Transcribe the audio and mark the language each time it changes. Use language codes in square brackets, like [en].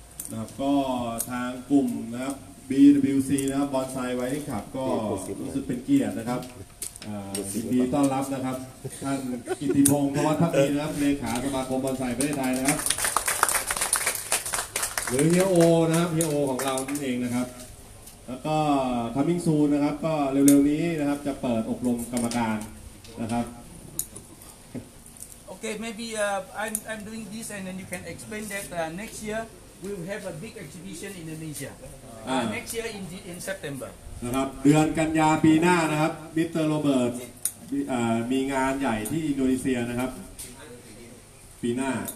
[th] นะครับก็ทางกลุ่มนะครับ BWC นะครับ Bonsai Wiring Club ก็รู้สึกเป็นเกียรตินะครับยินดีต้อนรับนะครับท่านกิติพงศ์ พวัฒน์ทีนะครับเลขาสมาคม Bonsai ประเทศไทยนะครับหรือเฮียโอนะครับเฮียโอของเรานั่นเองนะครับแล้วก็ [en] คัมมิ่งซูน [th] นะครับก็เร็วๆนี้นะครับจะเปิดอบรมกรรมการนะครับ [en] โอเค maybe I'm doing this and then you can explain that next year we'll have a big exhibition in Indonesia next year in September [th] นะครับเดือนกันยาปีหน้านะครับมิสเตอร์โรเบิร์ตมีงานใหญ่ที่อินโดนีเซียนะครับปีหน้า